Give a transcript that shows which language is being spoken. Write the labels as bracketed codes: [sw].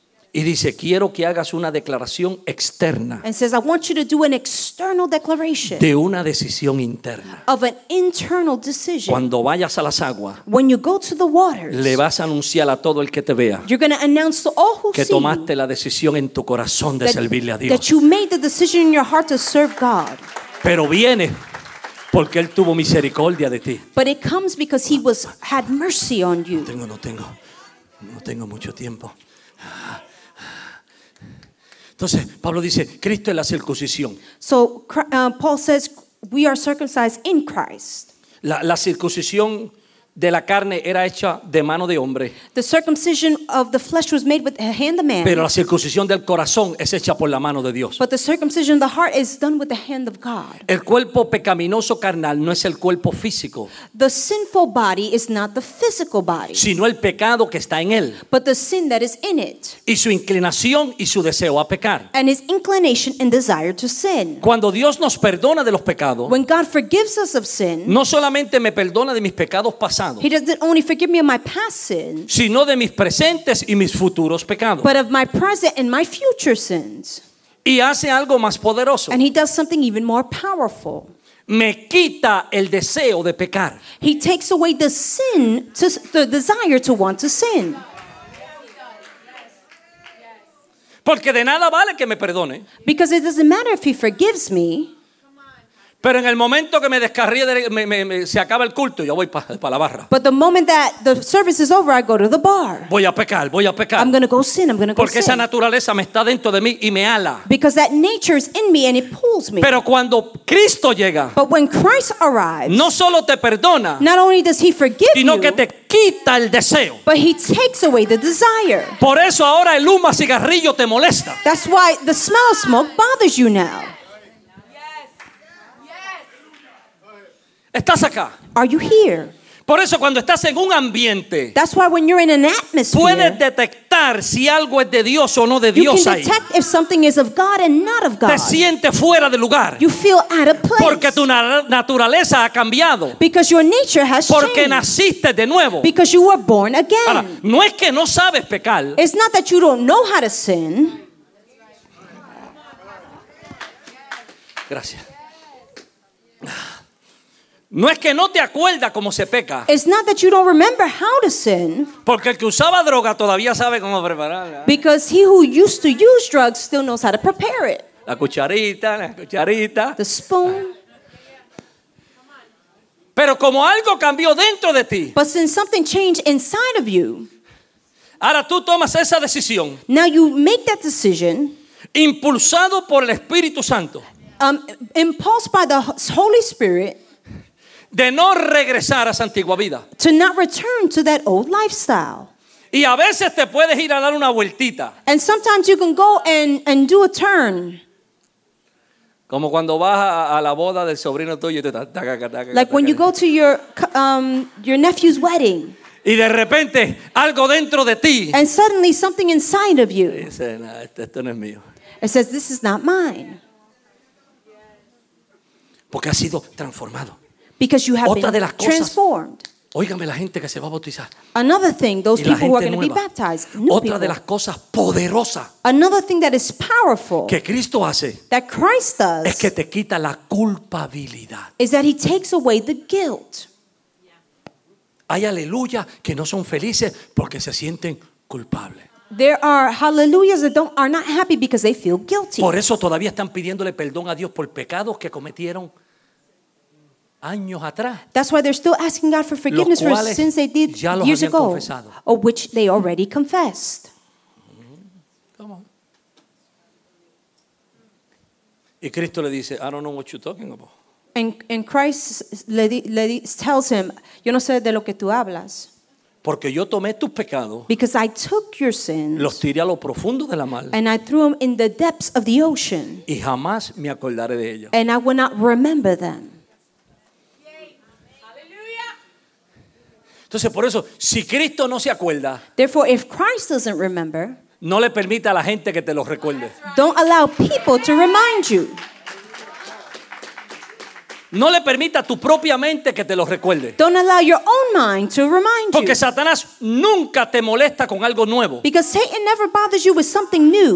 [es] Y dice, quiero que hagas una declaración externa. [en] And says, I want you to do an external declaration. [es] De una decisión interna. [en] Of an internal decision. [es] Cuando vayas a las aguas. [en] When you go to the waters. [es] Le vas a anunciar a todo el que te vea. [en] You're going to announce to all who see you. [es] Que tomaste la decisión en tu corazón de servirle a Dios. [en] That you made the decision in your heart to serve God. [es] Pero viene. Porque él tuvo misericordia de ti. [en] But it comes because he was had mercy on you. [es] No tengo mucho tiempo. Entonces Pablo dice, Cristo es la circuncisión. [en] So Paul says we are circumcised in Christ. [es] La circuncisión de la carne era hecha de mano de hombre. [en] The circumcision of the flesh was made with the hand of man. [es] Pero la circuncisión del corazón es hecha por la mano de Dios. [en] But the circumcision of the heart is done with the hand of God. [es] El cuerpo pecaminoso carnal no es el cuerpo físico. [en] The sinful body is not the physical body. [es] Sino el pecado que está en él. [en] But the sin that is in it. [es] Y su inclinación y su deseo a pecar. [en] And his inclination and desire to sin. [es] Cuando Dios nos perdona de los pecados. [en] When God forgives us of sin. [es] No solamente me perdona de mis pecados pasados. [en] He doesn't only forgive me of my past sins, [es] sino de mis presentes y mis futuros pecados. [en] But of my present and my future sins. [es] Y hace algo más poderoso. [en] And he does something even more powerful. [es] Me quita el deseo de pecar. [en] He takes away the desire to want to sin. [es] Porque de nada vale que me perdone. [en] Because it doesn't matter if he forgives me. [es] Pero en el momento que me descarrí, se acaba el culto, yo voy para la barra. [en] But the moment that the service is over, I go to the bar. [es] Voy a pecar. [en] I'm going to go sin. I'm going to go [es] Porque Esa naturaleza me está dentro de mí y me ala. [en] Because that nature is in me and it pulls me. [es] Pero cuando Cristo llega, [en] but when Christ arrives, [es] no solo te perdona, [en] not only does he forgive [es] sino [en] you, [es] que te quita el deseo. [en] But he takes away the desire. [es] Por eso ahora el humo a cigarrillo te molesta. [en] That's why the smell of smoke bothers you now. [es] Estás acá. [en] Are you here? [es] Por eso cuando estás en un ambiente. [en] That's why when you're in an atmosphere. [es] Puedes detectar si algo es de Dios o no de Dios ahí. [en] You can detect if something is of God and not of God. [es] Te sientes fuera de lugar. [en] You feel out of place. [es] Porque tu naturaleza ha cambiado. [en] Because your nature has changed. [es] Porque naciste de nuevo. [en] Because you were born again. [es] Ahora, no es que no sabes pecar. [en] It's not that you don't know how to sin. [es] Gracias. No es que no te acuerdas cómo se peca. [en] It's not that you don't remember how to sin. [es] Porque el que usaba droga todavía sabe cómo prepararla. [en] Because he who used to use drugs still knows how to prepare it. [es] La cucharita. [en] The spoon. [es] Pero como algo cambió dentro de ti. [en] But since something changed inside of you. [es] Ahora tú tomas esa decisión. [en] Now you make that decision. [es] Impulsado por el Espíritu Santo. [en] Impulsed by the Holy Spirit. [es] De no regresar a esa antigua vida. [en] To not return to that old lifestyle. [es] Y a veces te puedes ir a dar una vueltita. [en] And sometimes you can go and do a turn. [es] Como cuando vas a la boda del sobrino tuyo. Taca. [en] Like when you go to your nephew's wedding. [es] Y de repente algo dentro de ti. [en] And suddenly something inside of you. [es] Dice, no, esto no es mío. [en] It says, this is not mine. [es] Porque ha sido transformado. [en] Because you have [es] otra [en] been [es] cosas, [en] transformed. [es] Oígame, la gente que se va a bautizar. [en] Another thing, those people who are going to be baptized. New [es] otra [en] people. [es] De las cosas poderosas. [en] Another thing that is powerful. [es] Que Cristo hace. [en] That Christ does. [es] Es que te quita la culpabilidad. [en] Is that he takes away the guilt. [es] Hay aleluyas que no son felices porque se sienten culpables. [en] There are hallelujahs that are not happy because they feel guilty. [es] Por eso todavía están pidiéndole perdón a Dios por pecados que cometieron años atrás. [en] That's why they're still asking God for forgiveness for sins they did years ago, [es] confesado. [en] Or which they already confessed. Come on. [es] Y Cristo le dice, [en] I don't know what you're talking about. And Christ le tells him, [es] yo no sé de lo que tú hablas. Porque yo tomé tus pecados. [en] Because I took your sins. [es] Los tiré a lo profundo de la mar. [en] And I threw them in the depths of the ocean. [es] Y jamás me acordaré de ellos. [en] And I will not remember them. [es] Entonces por eso, si Cristo no se acuerda. [en] Therefore, if Christ doesn't remember. [es] No le permita a la gente que te lo recuerde. [en] Don't allow people to remind you. [es] No le permita a tu propia mente que te lo recuerde. [en] Don't allow your own mind to remind you. [es] Porque Satanás nunca te molesta con algo nuevo. [en] Because Satan never bothers you with something new.